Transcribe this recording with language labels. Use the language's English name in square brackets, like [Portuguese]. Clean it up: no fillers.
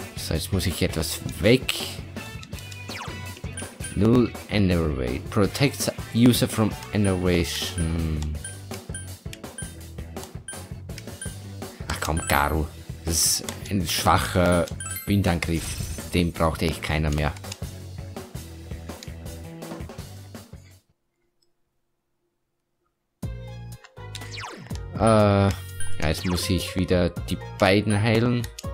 [German] Jetzt muss ich etwas weg. [English] Null Enervate. Protects user from enervation. [German] Ach komm, Garu. Das ist ein schwacher Windangriff. Den brauchte ich keiner mehr. Ja, jetzt muss ich wieder die beiden heilen.